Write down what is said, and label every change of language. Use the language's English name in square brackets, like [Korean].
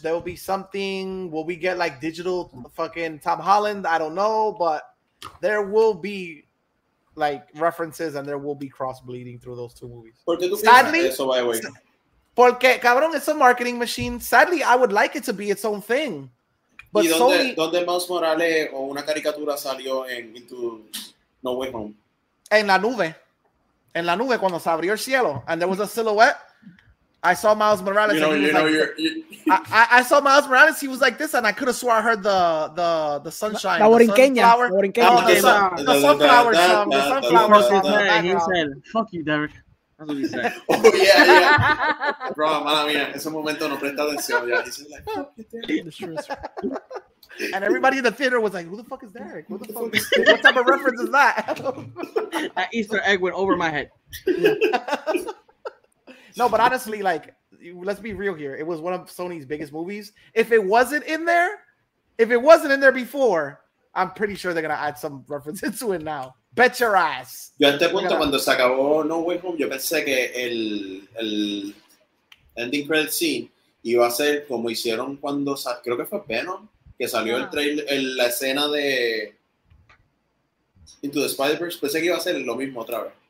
[English] There'll be something. Will we get like digital fucking Tom Holland? I don't know, but there will be like references and there will be cross bleeding through those two movies. Sadly, [Spanish] eso, [English] by the way. [Spanish] Porque, cabrón, [English] it's a marketing machine. Sadly, I would like it to be its own thing. But [Spanish] ¿Y Sony... ¿Dónde Miles Morales o una caricatura salió en Into No Way Home? En la nube. En la nube, cuando se abrió el cielo. [English] And there was a silhouette. I saw Miles Morales. I saw Miles Morales. He was like this. And I could have swore I heard the sunshine. La Borinqueña. The sunflower song. The sunflower song. He said, fuck you, Derek. Oh, yeah, yeah. [Spanish] Bro, mala mía, ese momento no presta atención. [English] Yeah. And everybody in the theater was like, who the fuck is Derek? What type of reference is that? That Easter egg went over my head. No, but honestly, like, let's be real here. It was one of Sony's biggest movies. If it wasn't in there before, I'm pretty sure they're going to add some references to it now. Bet your ass. [Spanish] Yo, a este punto, [English] gonna... [Spanish] cuando se acabó No Way Home, yo pensé que el [English] ending credit scene [Spanish] iba a ser como hicieron cuando, creo que fue Venom, que salió el trailer, la escena de Into the Spider-Verse, pensé que iba a ser lo mismo otra vez.